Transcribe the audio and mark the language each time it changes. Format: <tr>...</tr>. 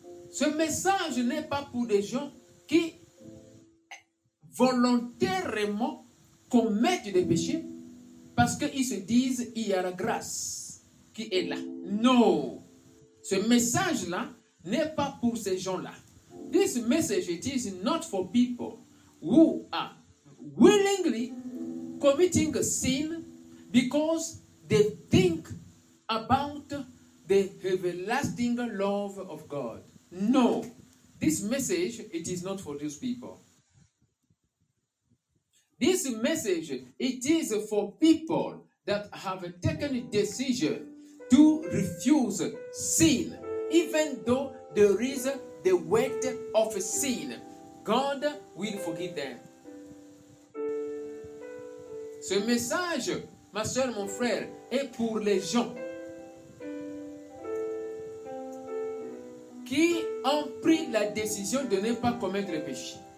<fr>Ce message n'est pas pour des gens qui volontairement commettent des péchés parce qu'ils se disent il y a la grâce qui est là. Non. Ce message-là n'est pas pour ces gens-là.</fr> <en>This message is not for people who are willingly committing a sin because they think about the everlasting love of God. No, this message, it is not for those people. This message, it is for people that have taken a decision to refuse sin, even though there is the weight of sin. God will forgive them.</en> <fr>Ce message, ma soeur, mon frère, est pour les gens qui ont pris la décision de ne pas commettre le péché.</fr>